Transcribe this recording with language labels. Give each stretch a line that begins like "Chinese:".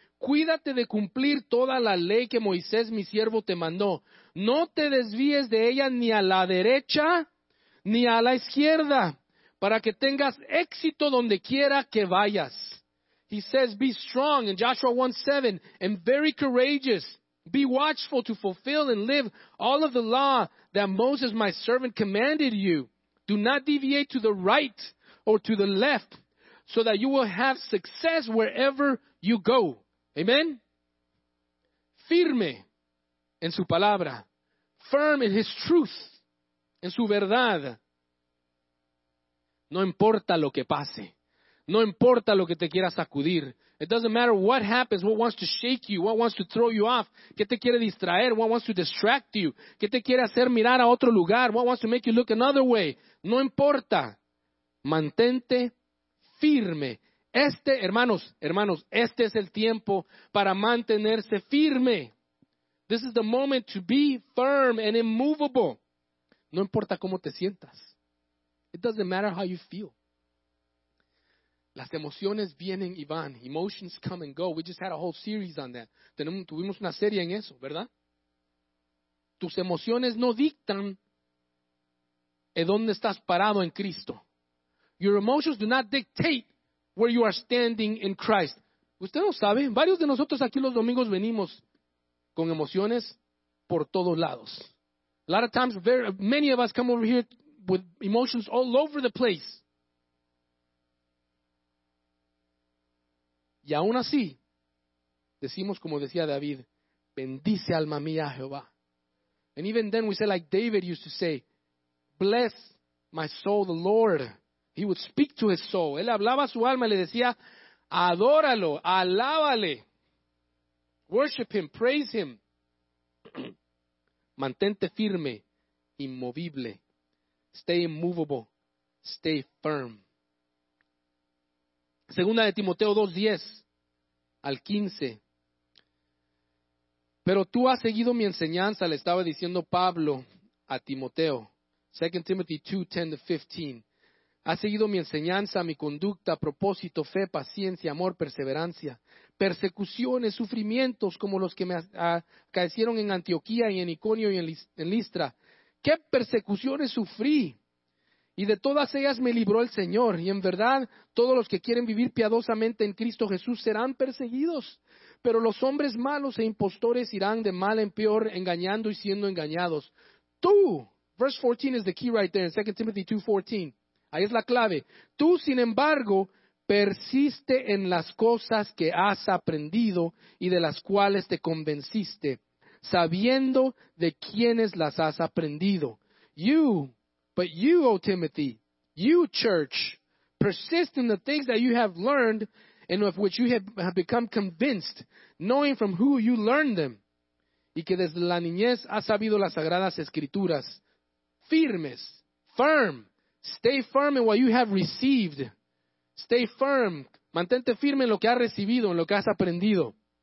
Spanish: Cuídate de cumplir toda la ley que Moisés, mi siervo, te mandó. No te desvíes de ella ni a la derecha ni a la izquierda, para que tengas éxito donde quiera que vayas.
English: He says, be strong in Joshua 1:7 and very courageous. Be watchful to fulfill and live all of the law that Moses, my servant, commanded you. Do not deviate to the right or to the left, so that you will have success wherever you go.
Spanish: Amen? Firme en su palabra.
English: Firm in his truth.
Spanish: En su verdad. No importa lo que pase. No importa lo que te quiera sacudir.
English: It doesn't matter what happens, what wants to shake you, what wants to throw you off.
Spanish: ¿Qué te quiere distraer?
English: What wants to distract you?
Spanish: ¿Qué te quiere hacer mirar a otro lugar?
English: What wants to make you look another way?
Spanish: No importa. Mantente firme. Este, hermanos, hermanos, este es el tiempo para mantenerse firme.
English: This is the moment to be firm and immovable.
Spanish: No importa cómo te sientas.
English: It doesn't matter how you feel.
Spanish: Las emociones vienen y van.
English: Emotions come and go. We just had a whole series on that.
Spanish: Tuvimos una serie en eso, ¿verdad? Tus emociones no dictan en dónde estás parado en Cristo.
English: Your emotions do not dictate where you are standing in Christ.
Spanish: Usted no sabe. Varios de nosotros aquí los domingos venimos con emociones por todos lados.
English: A lot of times, many of us come over here with emotions all over the place.
Spanish: Y aún así, decimos como decía David, bendice alma mía Jehová.
English: And even then we say like David used to say, bless my soul the Lord. He would speak to his soul.
Spanish: Él hablaba a su alma y le decía, adóralo, alábale.
English: Worship him, praise him.
Spanish: Mantente firme, inmovible.
English: Stay immovable, stay firm.
Spanish: Segunda de Timoteo 2:10. Al 15. Pero tú has seguido mi enseñanza, le estaba diciendo Pablo a Timoteo.
English: 2 Timothy 2:10 to 15.
Spanish: Has seguido mi enseñanza, mi conducta, propósito, fe, paciencia, amor, perseverancia, persecuciones, sufrimientos como los que me acaecieron en Antioquía y en Iconio y en Listra. ¿Qué persecuciones sufrí? Y de todas ellas me libró el Señor. Y en verdad, todos los que quieren vivir piadosamente en Cristo Jesús serán perseguidos. Pero los hombres malos e impostores irán de mal en peor, engañando y siendo engañados.
English: Tú, verse 14 is the key right there, in 2 Timothy 2:14.
Spanish: Ahí es la clave. Tú, sin embargo, persiste en las cosas que has aprendido y de las cuales te convenciste, sabiendo de quiénes las has aprendido.
English: But you, O Timothy, you, church, persist in the things that you have learned and of which you have become convinced, knowing from who you learned them.
Spanish: Y que desde la niñez has sabido las sagradas escrituras.
English: Firmes, firm, stay firm in what you have received. Stay firm,
Spanish: Mantente firme en lo que has recibido, en lo que has aprendido.